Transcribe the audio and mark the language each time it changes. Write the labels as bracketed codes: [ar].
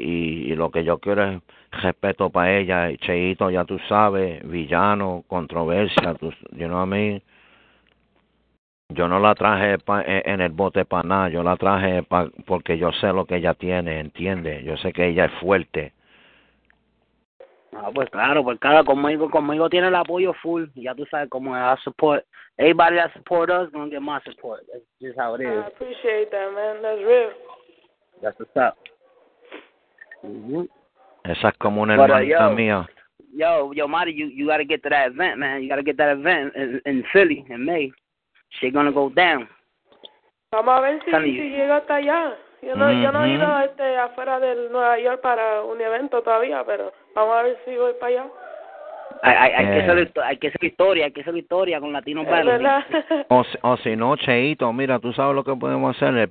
[es] Y lo que yo quiero es respeto para ella. Cheito, ya tú sabes, Villano, controversia, tú, [en] you know what I mean? [es] Yo no la traje en el bote para nada. Yo la traje porque yo sé lo que ella tiene, ¿entiendes? Yo sé que ella es fuerte. Ah, pues claro, pues claro, conmigo tiene el apoyo full. Ya tú sabes cómo es. [en] I support. Anybody that supports us, gonna get my support. That's just how it is. I appreciate that, man. That's real. That's what's up. Mm-hmm. [es] Esa es como una hermanita mía. [en] yo, Marty, you got to get to that event, man. You got to get that event in Philly in May. Shit gonna go down. [es] Vamos a ver si llega hasta allá. Yo no, yo no he ido afuera del Nueva York para un evento todavía, pero vamos a ver si voy para allá. Hay que hacer historia con Latino Battle. O si no, Cheito, mira, tú sabes lo que podemos hacer.